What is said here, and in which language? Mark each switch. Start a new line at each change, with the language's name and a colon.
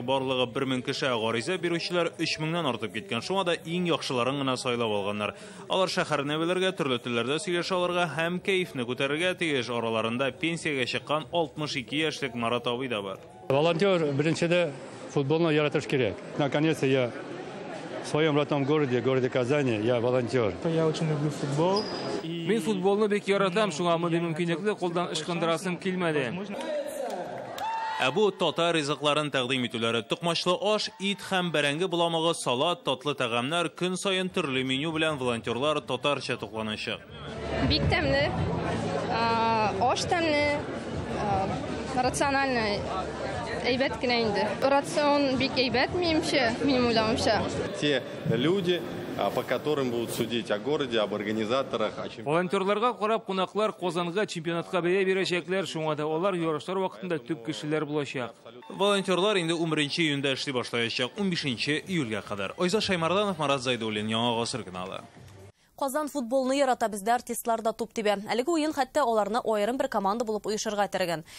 Tatar: Барлыгы 1000 кеше, гариза бирүчеләр 3000-дән артып киткән. Шуңа да иң яхшыларын гына сайлап алганнар. Алар шәһәрне белергә, төрле телләрдә сөйләшә алырга һәм кайфны күтәрергә тиеш. Араларында пенсияга чыккан 62 яшьлек Марат абый да бар. Волонтер беренчедә футболны яратыш кирәк.
Russian: Наконец я в своем родном городе, городе Казани, я волонтер. Я очень люблю футбол.
Tatar: Мин футболны бик яратам, шуңа мондый мөмкинлекне кулдан ышкындырасым килмәде. Әбу татар ризыкларын тәкъдим итүләре, тукмашлы аш, ит һәм бәрәңге буламыгы, салат, татлы тәгамнәр, көн саен төрле меню белән волонтерлар татарча тукланачак. Бик тәмле, аш тәмле, рациональный, әйбәт кенә инде. Рацион бик әйбәт менимчә, минем уйлавымча.
Russian: Те люди, по которым будут судить о городе, об организаторах.
Tatar: Волонтерларга карап кунаклар Казанга чемпионатка бәя бирәчәкләр, шуңа да алар ярышлар вакытында төп кешеләр булачак. Волонтерлар инде 11-нче июньдә эшли башлаячак, 15-нче июльгә кадәр. Айза Шаймарданов, Марат Зайдуллин, Яңа Гасыр каналы. Казан футболны ярата бездә артистлар да туп тибә. Әлеге уен хәтта аларны аерым бер команда булып оешырга тергән.